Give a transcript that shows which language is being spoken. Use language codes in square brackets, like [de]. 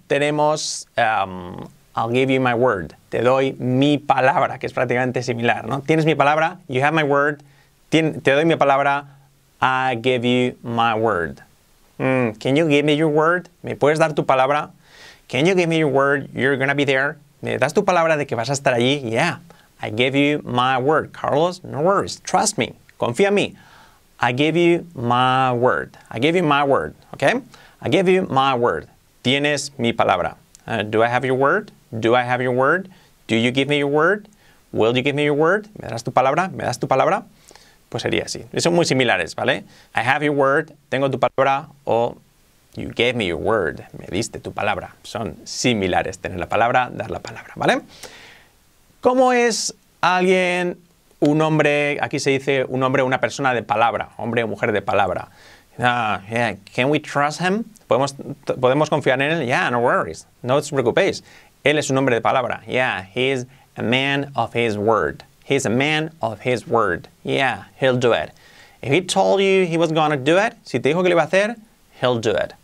[es] Tenemos [en] I'll give you my word. [es] Te doy mi palabra, que es prácticamente similar, ¿no? Tienes mi palabra, [en] you have my word, [es] te doy mi palabra, [en] I give you my word. Can you give me your word? [es] ¿Me puedes dar tu palabra? [en] Can you give me your word? You're gonna be there. [es] ¿Me das tu palabra de que vas a estar allí? [en] Yeah, I give you my word. Carlos, no worries, trust me, [es] confía en mí. [en] I give you my word, okay? I give you my word. [es] Tienes mi palabra. [en] Do I have your word? Do I have your word? Do you give me your word? Will you give me your word? [es] ¿Me das tu palabra? ¿Me das tu palabra? Pues sería así. Son muy similares, ¿vale? [en] I have your word. [es] Tengo tu palabra. [en] O you gave me your word. [es] Me diste tu palabra. Son similares. Tener la palabra, dar la palabra, ¿vale? ¿Cómo es alguien, un hombre? Aquí se dice un hombre, una persona de palabra. Hombre o mujer de palabra. [en] Yeah. Can we trust him? [es] ¿Podemos confiar en él? [en] Yeah, no worries. [es] No os preocupéis. Él es un hombre de palabra. [en] Yeah, he's a man of his word. He's a man of his word. Yeah, he'll do it. If he told you he was gonna do it, [es] si te dijo que lo iba a hacer, [en] he'll do it.